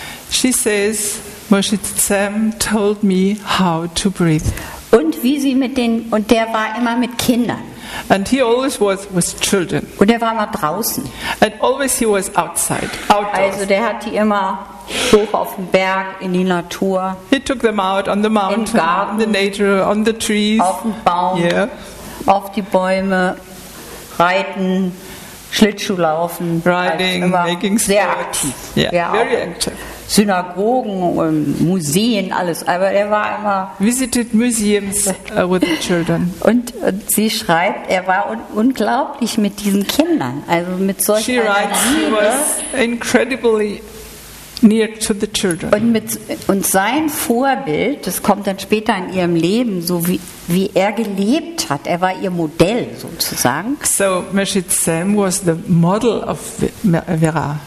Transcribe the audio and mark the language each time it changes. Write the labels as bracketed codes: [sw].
[en] She says, Moshe Zen told me how to breathe. [de] Und wie sie mit den, und der war immer mit Kindern. [en] And he always was with children. [de] Und er war immer draußen. [en] And always he was outside, outdoors. [de] Also der hat die immer hoch auf dem Berg, in die Natur. [en] He took them out on the mountain, [de] im Garten, [en] in the nature, on the trees. [de] Auf den Baum, [en] yeah. [de] Auf die Bäume, reiten, Schlittschuh laufen. [en] Riding, also making sports. [de] Sehr aktiv. [en] Yeah, ja, very active. [de] Synagogen und Museen, alles. Aber er war immer... [en] Visited museums with the children. [de] Und sie schreibt, er war unglaublich mit diesen Kindern. Also mit solchen Kindern. [en] She writes, he was incredibly near to the children. [de] Und sein Vorbild, das kommt dann später in ihrem Leben, so wie er gelebt hat. Er war ihr Modell sozusagen. [en] So Moshe Zen was the model of Vera.